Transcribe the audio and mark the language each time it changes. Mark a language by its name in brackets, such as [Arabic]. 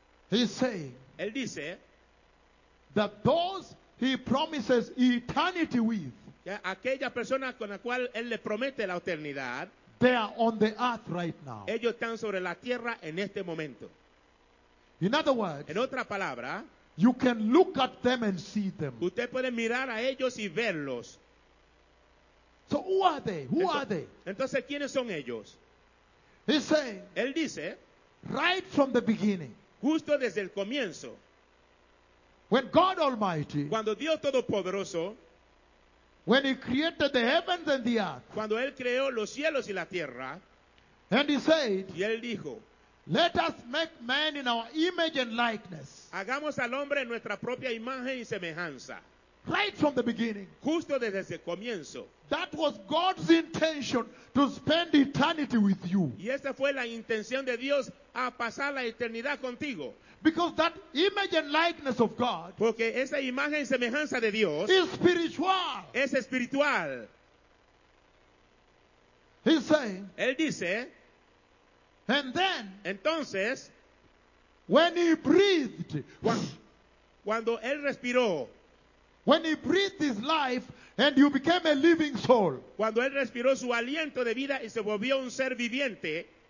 [English] he's saying, [Spanish] él dice, [English] that those he promises eternity with, [Spanish] aquella persona con la cual él le promete la eternidad, [English] they are on the earth right now. [Spanish] Ellos están sobre la tierra en este momento. [English] In other words, [Spanish] en otra palabra, [English] you can look at them and see them. [Spanish] Usted puede mirar a ellos y verlos. [English] So who are they? Who [Spanish] entonces, [English] are they? [Spanish] Entonces, ¿quiénes son ellos? [English] He say, [Spanish] él dice, [English] right from the beginning, [Spanish] justo desde el comienzo, [English] when God Almighty, [Spanish] cuando Dios Todopoderoso, [English] when he created the heavens and the earth, [Spanish] cuando él creó los cielos y la tierra, [English] and he said, [Spanish] y él dijo, [English] let us make man in our image and likeness. [Spanish] Hagamos al hombre en nuestra propia imagen y semejanza. [English] Right from the beginning. [Spanish] Justo desde el comienzo. [English] That was God's intention to spend eternity with you. [Spanish] Y esa fue la intención de Dios a pasar la eternidad contigo. [English] Because that image and likeness of God, [Spanish] porque esa imagen y semejanza de Dios, [English] is spiritual. [Spanish] Es espiritual. [English] He's saying, [Spanish] él dice, [English] and then, [Spanish] entonces, [English] when he breathed, [Spanish] cuando él respiró, [English] when he breathed his life and you became a living soul, [Spanish] cuando él respiró su aliento de vida y se volvió un ser viviente,